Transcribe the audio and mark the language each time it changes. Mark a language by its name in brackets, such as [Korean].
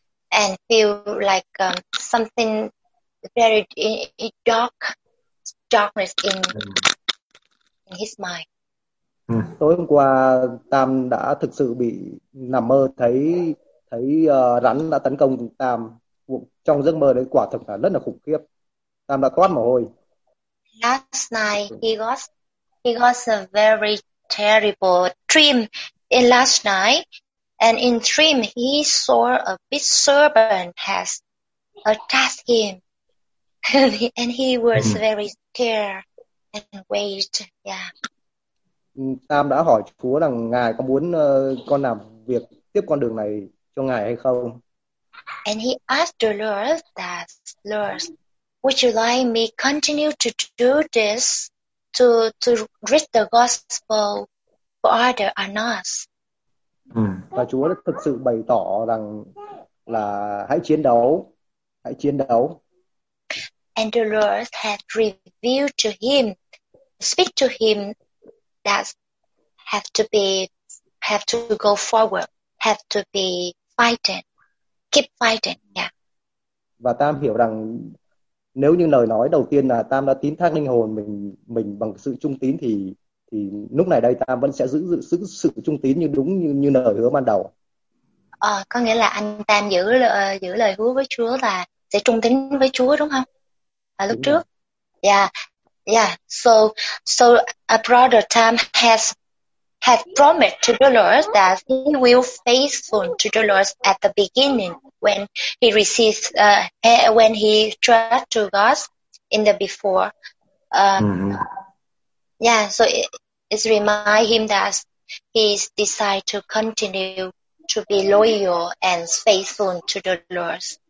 [English] And feel like something very dark, darkness in his mind. [Vietnamese] Tối hôm qua Tam đã thực sự bị nằm mơ thấy rắn đã tấn công Tam. Trong giấc mơ đấy quả thực là rất là khủng khiếp. Tam đã toát mồ hôi. [English] Last night he got a very terrible dream in last night, and in dream he saw a big serpent has attacked him and he was very scared and wait. Yeah. [Vietnamese] Tam đã hỏi Chúa rằng Ngài có muốn con làm việc tiếp con đường này cho Ngài hay không? [English] And he asked the Lord that, Lord, would you like me continue to do this to read the gospel for others or not? [Vietnamese] Và Chúa đã thực sự bày tỏ rằng là hãy chiến đấu. [English] And the Lord had revealed to him, speak to him, that have to go forward, keep fighting. Yeah. [Vietnamese] Và Tam hiểu rằng nếu như lời nói đầu tiên là Tam đã tín thác linh hồn mình bằng sự trung tín thì lúc này đây Tam vẫn sẽ giữ sự trung tín như lời hứa ban đầu. Có nghĩa là anh Tam giữ lời hứa với Chúa là sẽ trung tín với Chúa đúng không? Trước. [English] So a brother Tam has promised to the Lord that he will faithful to the Lord at the beginning when he receives when he trusts to God in the before. So it remind him that he decide to continue to be loyal and faithful to the Lord.